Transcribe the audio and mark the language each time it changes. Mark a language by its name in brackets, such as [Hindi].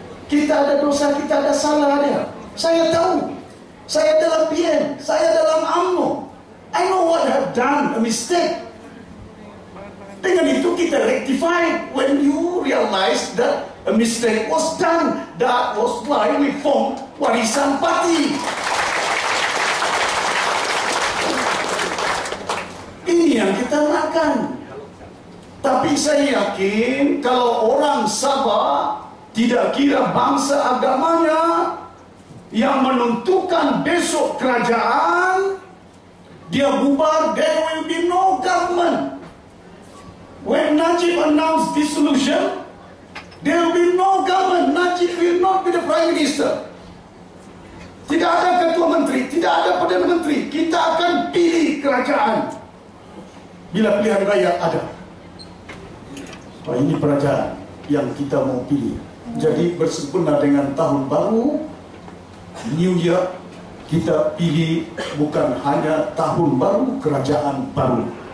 [Malay] Kita ada dosa, kita ada salah dia. Saya tahu. Saya dalam PM, saya dalam UMNO. [English] I know what I have done, a mistake. [Malay] Dengan itu kita rectify. [English] When you realize that a mistake was done, that was why we formed Warisan Party. [Malay] Ini yang kita makan. Tapi saya yakin kalau orang Sabah tidak kira bangsa agamanya yang menentukan besok kerajaan, dia bubar, [English] there will be no government. When Najib announced dissolution, there will be no government. Najib will not be the Prime Minister. [Malay] Tidak ada Ketua Menteri, tidak ada Perdana Menteri. Kita akan pilih kerajaan bila pilihan raya ada. Ini kerajaan yang kita mau pilih. Jadi bersempena dengan tahun baru, [English] New Year, [Malay] kita pilih bukan hanya tahun baru, kerajaan baru.